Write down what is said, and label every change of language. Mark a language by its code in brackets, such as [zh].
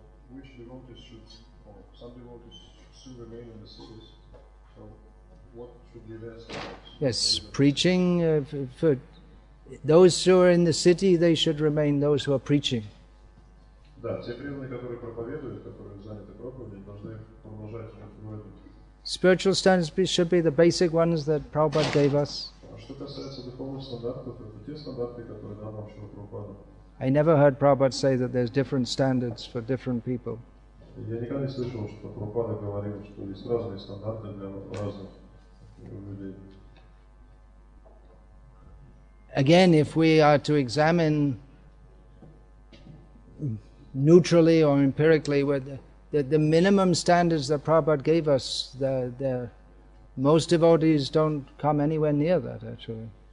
[en] Which devotees should, or some devotees should remain in the cities. So, what should be their status? Yes, preaching for those who are in the city, they should remain those who are preaching. [ru] Да, те преданные, которые проповедуют, которые заняты проповедью, должны продолжать проповедовать. [en] Spiritual standards should be the basic ones that Prabhupada gave us. [ru] Что касается духовных стандартов, это те стандарты, которые дал нам Шрила Прабхупада. [en] I never heard Prabhupada say that there's different standards for different people. [ru] Я никогда не слышал, что Прабхупада говорил, что есть разные стандарты для разных людей. [en] Again, if we are to examine neutrally or empirically, the minimum standards that Prabhupada gave us, the most devotees don't come anywhere near that, actually.